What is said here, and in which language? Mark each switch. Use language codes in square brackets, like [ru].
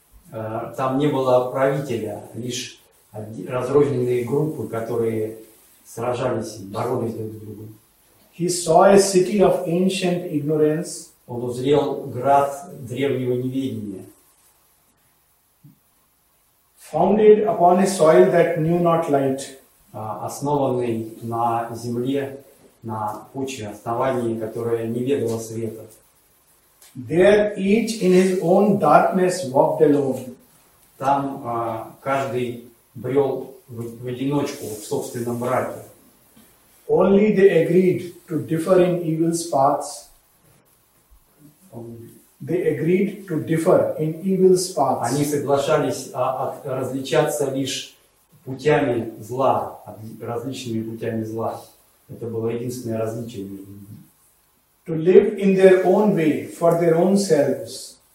[ru] Там не было правителя, лишь разрозненные группы, которые сражались и боролись друг с другом. [en] He saw a city of ancient ignorance. [ru] Он узрел град древнего неведения. [en] Founded upon a soil that knew not light. [ru] Основанный на земле, на почве, основании, которое не ведало света. [en] There each in his own darkness walked alone. [ru] Там каждый брел в одиночку, в собственном мраке. [en] Only they agreed to differ in evil's paths. They agreed to differ in evil's paths. [ru] Они соглашались различаться лишь путями зла, различными путями зла. Это было единственное различие между ними. [en] To live in their own way for their own selves.